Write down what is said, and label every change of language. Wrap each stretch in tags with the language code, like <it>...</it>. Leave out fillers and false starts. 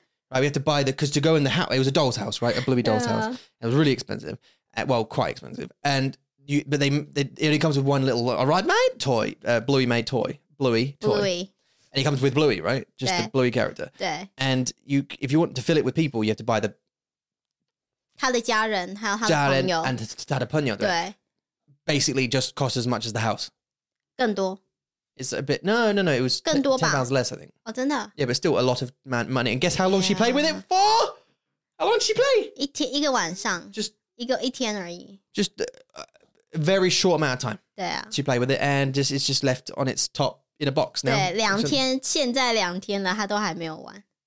<en>Right, we had to buy the, because to go in the house, it was a doll's house, right? A Bluey doll's house. It was really expensive. Well, quite expensive. And, you, but they, it only comes with one little, all right, mate? Toy. Bluey made toy. Bluey toy. Bluey. And it comes with Bluey, right? Just the Bluey character. And you, if you want to fill it with people, you have to buy the...</en> <zh>他的家人,还有他的朋友。家人 and 他的朋友, right?</zh> <en>Basically, just costs as much as the house.</en> <zh>更多.</zh> <en>It's a bit... No. It was £10 less, I think.</en> <zh>Oh, 真的?</zh> <en>Yeah, but still a lot of money. And guess how long she played with it for? How long did she play?</en> <zh>一天,一个晚上.</zh> <en>Just...</en> <zh>一天而已.</zh> <en>Just a very short amount of time.</en> <zh>对啊.</zh> <en>She played with it, and just it's just left on its top. In a box now.</en> <zh>对,两天,现在两天了,她都还没有玩.</zh>